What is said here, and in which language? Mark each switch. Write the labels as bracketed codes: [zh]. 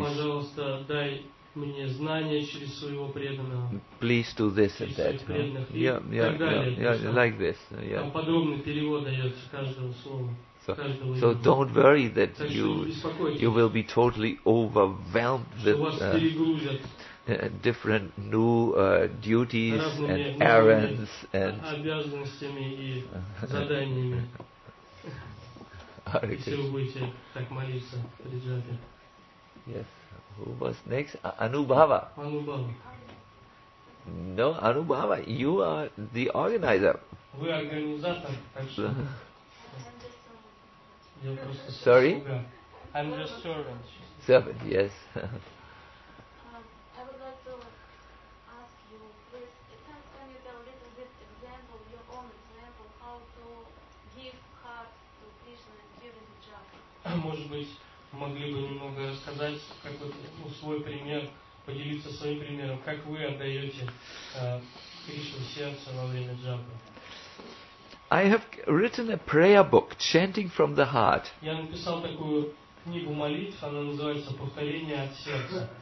[ru] Пожалуйста, дай мне знания через своего преданного. [en] Please do this and that. Like this. Yeah. [ru] Там подробный перевод дается каждого слова. [en] So don't worry that you will be totally overwhelmed with different new duties and errands and [ru] обязанностями и заданиями. Если вы будете так молиться, приезжайте. [en] Yes. Who was next? Anubhava. Anubhava. No, Anubhava. You are the organizer. [ru] Вы организатор, так что. [en] Sorry? I'm just servant. Servant, yes. I would like to ask you, please, can you tell a little bit example, your own example, how to give heart to Krishna during the japa? [ru] Может быть, могли бы немного рассказать, как вот свой пример, поделиться своим примером, как вы отдаете Кришне сердце во время джапы? [en] I have written a prayer book, Chanting from the Heart. [ru] Я написал такую книгу молитв, она называется «Повторение от сердца».